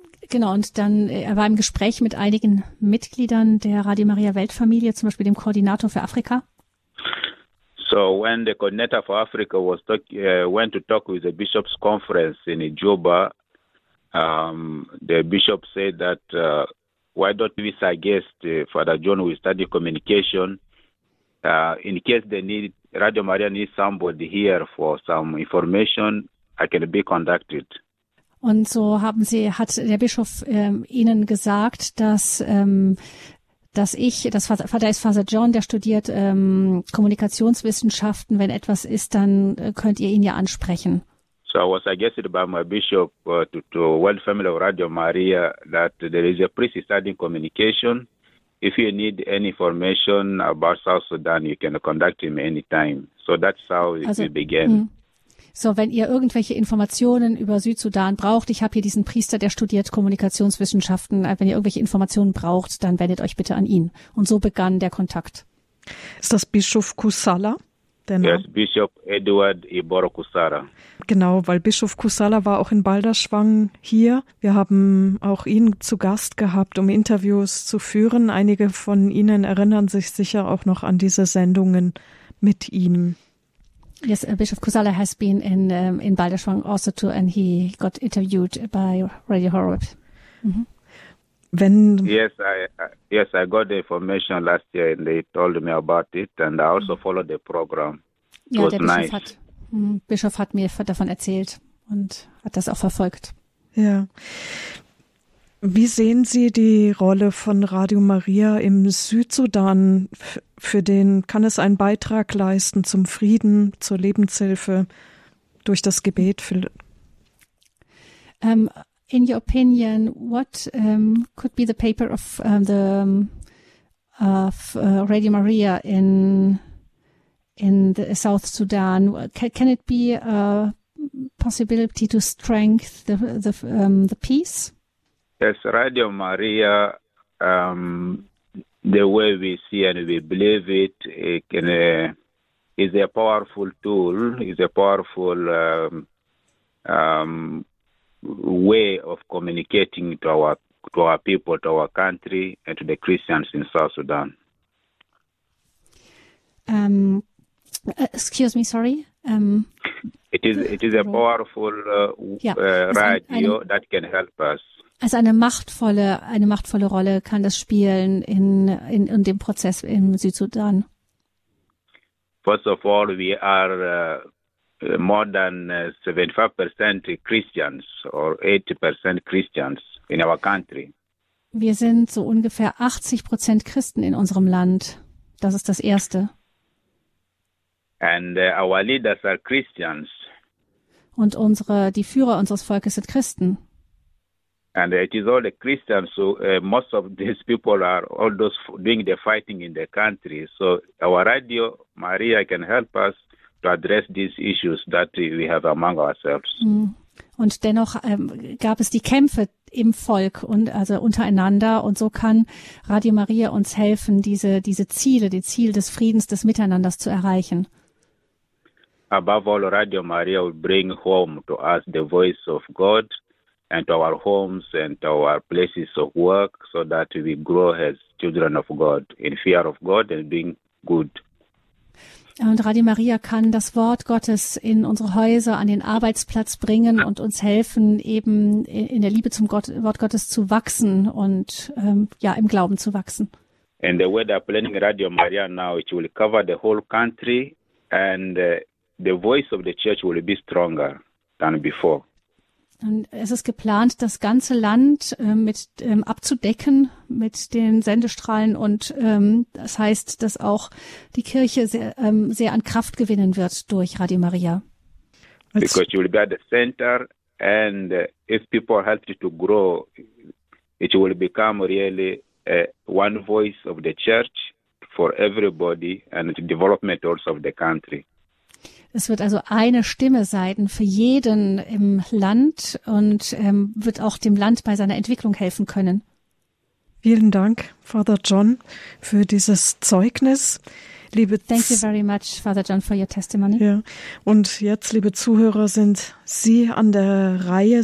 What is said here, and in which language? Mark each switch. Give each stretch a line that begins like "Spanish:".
German: Genau, und dann er war im Gespräch mit einigen Mitgliedern der Radio Maria Weltfamilie, zum Beispiel dem Koordinator für Afrika.
English: So when the coordinator for Africa went to talk with the bishops' conference in Juba, the bishop said that why don't we suggest Father John who study communication in case they need Radio Maria needs somebody here for some information, I can be contacted.
German: Und so hat der Bischof Ihnen gesagt, dass da ist Father John, der studiert Kommunikationswissenschaften. Wenn etwas ist, dann könnt ihr ihn ja ansprechen.
English: So I was suggested by my bishop to World Family of Radio Maria that there is a priest studying communication. If you need any information about South Sudan, you can contact him anytime. So that's how it began.
German: So, wenn ihr irgendwelche Informationen über Südsudan braucht, ich habe hier diesen Priester, der studiert Kommunikationswissenschaften. Wenn ihr irgendwelche Informationen braucht, dann wendet euch bitte an ihn. Und so begann der Kontakt. Ist das Bischof Kusala?
English: Yes, Bishop Edward Iboro Kusala.
German: Genau, weil Bischof Kusala war auch in Balderschwang hier. Wir haben auch ihn zu Gast gehabt, um Interviews zu führen. Einige von Ihnen erinnern sich sicher auch noch an diese Sendungen mit ihm.
English: Yes, Bishop Kusala has been in Balderschwang also too, and he got interviewed by Radio Horeb. Mm-hmm. When I got the information last year and they told me about it and I also followed the program. It was
German: der Bischof
English: nice.
German: Bischof hat mir davon erzählt und hat das auch verfolgt. Ja. Wie sehen Sie die Rolle von Radio Maria im Südsudan? Für den kann es einen Beitrag leisten zum Frieden, zur Lebenshilfe durch das Gebet?
English: In your opinion, what could be the paper of the Radio Maria in the South Sudan? Can it be a possibility to strengthen the peace? Yes, Radio Maria, the way we see and we believe it, is a powerful tool, is a powerful way of communicating to our people, to our country, and to the Christians in South Sudan. Excuse me, sorry. It is a powerful radio that can help us.
German: Also eine machtvolle Rolle kann das spielen in dem Prozess im Südsudan.
English: First of all, we are more than 75% Christians or 80% Christians in our country.
German: Wir sind so ungefähr 80% Christen in unserem Land. Das ist das Erste.
English: And our leaders are Christians.
German: Und die Führer unseres Volkes sind Christen.
English: And it is all the Christians, so most of these people are all those doing the fighting in the country. So our radio, Maria, can help us to address these issues that we have among ourselves.
German: Und dennoch gab es die Kämpfe im Volk und also untereinander. Und so kann Radio Maria uns helfen, diese Ziele, die Ziel des Friedens, des Miteinanders zu erreichen.
English: Above all, Radio Maria will bring home to us the voice of God and to our homes and to our places of work, so that we grow as children of God in fear of God and being good.
German: Und Radio Maria kann das Wort Gottes in unsere Häuser, an den Arbeitsplatz bringen und uns helfen, eben in der Liebe zum Wort Gottes zu wachsen und im Glauben zu wachsen.
English: And the weather planning Radio Maria now, it will cover the whole country and the voice of the church will be stronger than before.
German: Und es ist geplant, das ganze Land abzudecken mit den Sendestrahlen und das heißt, dass auch die Kirche sehr an Kraft gewinnen wird durch Radio Maria.
English: Because you will be at the center and if people help you to grow, it will become really one voice of the church for everybody and the development also of the country.
German: Es wird also eine Stimme sein für jeden im Land und wird auch dem Land bei seiner Entwicklung helfen können. Vielen Dank, Father John, für dieses Zeugnis.
English: Thank you very much, Father John, for your testimony.
German: Ja. Und jetzt, liebe Zuhörer, sind Sie an der Reihe.